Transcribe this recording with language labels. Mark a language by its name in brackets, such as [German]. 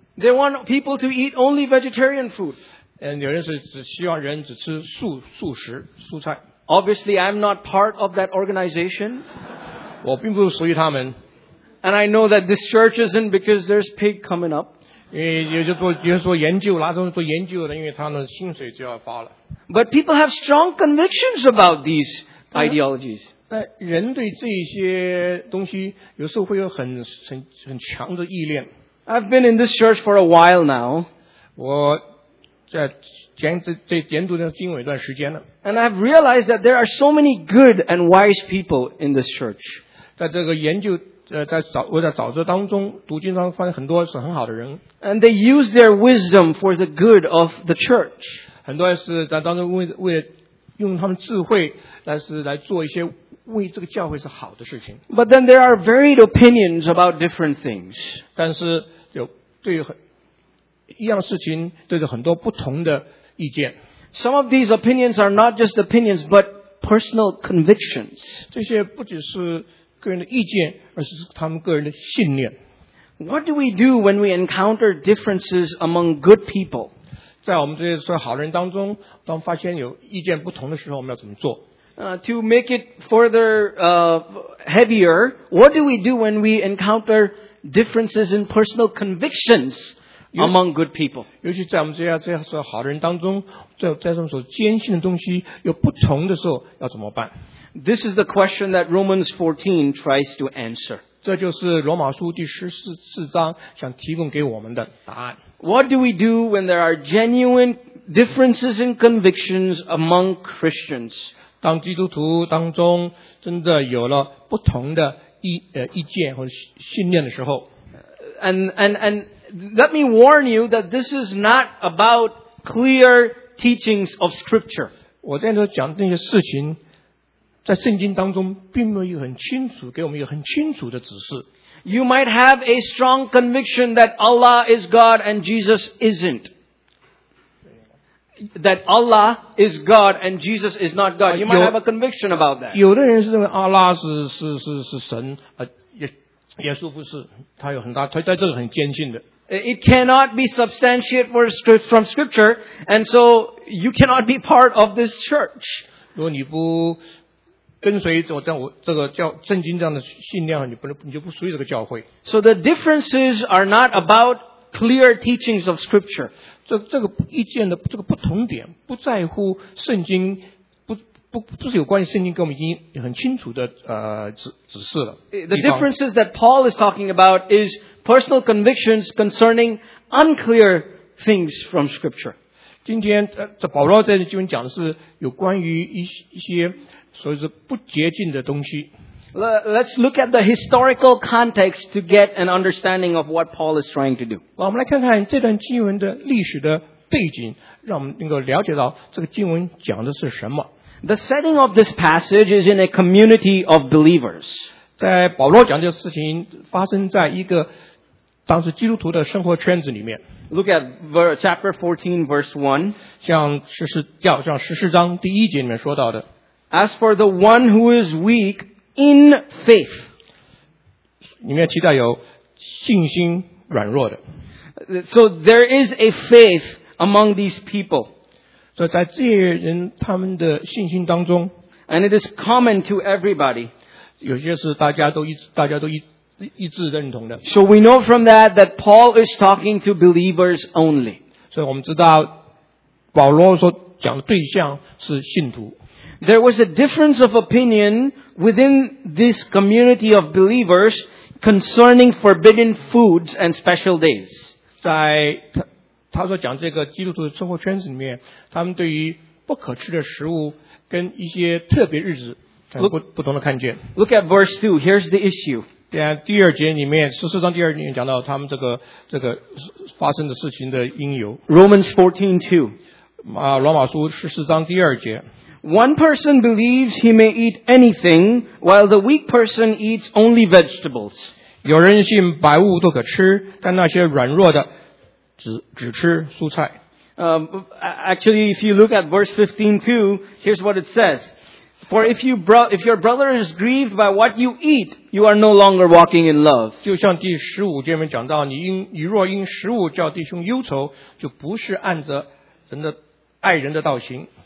[English] They want people to eat only vegetarian food. And [Chinese] 有人是只希望人只吃素食蔬菜。 [English] Obviously, I'm not part of that organization. [Chinese] 我并不属于他们。 [English] And I know that this church isn't because there's pig coming up. [Chinese] 因为有些做研究，拿着做研究的，因为他的薪水就要发了。 [English] But people have strong convictions about these. Ideologies. [Chinese] 但人对这些东西有时候会有很强的意念。 [English] I've been in this church for a while now. [Chinese] 我在研读这经文一段时间了。 [English] And I've realized that there are so many good and wise people in this church. [Chinese] 在这个研究在沼泽当中读经当中发现很多是很好的人。 [English] And they use their wisdom for the good of the church. [Chinese] 很多是在当中为用他们智慧来做一些为这个教会是好的事情。 [English] But then there are varied opinions about different things. [Chinese] 但是有对一样事情对着很多不同的意见。 [English] Some of these opinions are not just opinions, but personal convictions. [Chinese] 这些不只是个人的意见，而是他们个人的信念。 [English] What do we do when we encounter differences among good people? [Chinese] 在我们这些说好人当中，当发现有意见不同的时候，我们要怎么做？ [English] To make it further heavier, what do we do when we encounter differences in personal convictions among good people. [Chinese] 尤其在我们这样说好的人当中，在这种所坚信的东西又不同的时候，要怎么办？ [English] This is the question that Romans 14 tries to answer. [Chinese] 这就是罗马书第十四章想提供给我们的答案。 [English] What do we do when there are genuine differences in convictions among Christians? [Chinese] 当基督徒当中真的有了不同的意见或信念的时候。 [English] And let me warn you that this is not about clear teachings of Scripture. [Chinese] 我在这讲那些事情，在圣经当中并没有很清楚，给我们一个很清楚的指示。 [English] You might have a strong conviction that Allah is God and Jesus isn't. That Allah is God and Jesus is not God. You might have a conviction about that. [Chinese] 有的人是认为阿拉是神，耶稣不是，他有很大，他在这个很坚信的。 [English] It cannot be substantiated from Scripture, and so you cannot be part of this church. [Chinese] 如果你不跟随这个教圣经这样的信念，你就不属于这个教会。 [English] So the differences are not about clear teachings of Scripture. [Chinese] 这个意见的这个不同点，不在乎圣经，不是有关于圣经给我们已经很清楚的指示了。 [English] The differences that Paul is talking about is personal convictions concerning unclear things from Scripture. [Chinese] 今天这保罗在经文讲的是有关于一些所以是不洁净的东西。 [English] Let's look at the historical context to get an understanding of what Paul is trying to do. [Chinese] 我们来看看这段经文的历史的背景，让我们能够了解到这个经文讲的是什么。 [English] The setting of this passage is in a community of believers. [Chinese] 在保罗讲这事情发生在一个当时基督徒的生活圈子里面。 [English] Look at chapter 14, verse 1. [Chinese] 像十四章第一节里面说到的。 [English] As for the one who is weak in faith. [Chinese] 里面提到有信心软弱的。 [English] So there is a faith among these people. [Chinese] 所以在这些人他们的信心当中 [English] ，and it is common to everybody， [Chinese] 有些是大家都一致认同的。 [English] So we know from that Paul is talking to believers only。 [Chinese] 所以我们知道保罗所讲的对象是信徒。 [English] There was a difference of opinion within this community of believers concerning forbidden foods and special days。 [Chinese] 在他说讲这个基督徒的生活圈子里面，他们对于不可吃的食物跟一些特别日子不同的看见。 [English] Look at verse 2, here's the issue. [Chinese] 第二节里面，十四章第二节讲到他们这个发生的事情的因由。 [English] Romans 14:2. [Chinese] 罗马书十四章第二节。 [English] One person believes he may eat anything, while the weak person eats only vegetables. [Chinese] 有人信百物都可吃，但那些软弱的只吃蔬菜。 [English] Actually, if you look at verse 15 too, here's what it says. For if your brother is grieved by what you eat, you are no longer walking in love. [Chinese] 就像第十五节里面讲到，你若因食物叫弟兄忧愁，就不是按着人的爱人的道行。